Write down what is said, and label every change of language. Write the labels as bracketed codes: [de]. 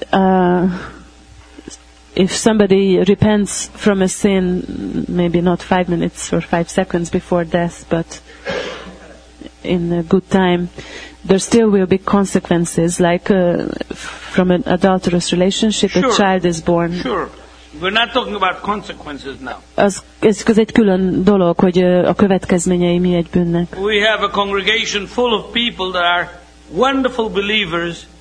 [en] That if somebody repents from a sin, maybe not 5 minutes or 5 seconds before death, but in a good time, there still will be consequences, like from an adulterous relationship, sure. A child is born. Sure, we're not talking about consequences now. [hu] Ez egy külön dolog, hogy a következményei mi egy bűnnek. [en] We have a congregation full of people that are wonderful believers.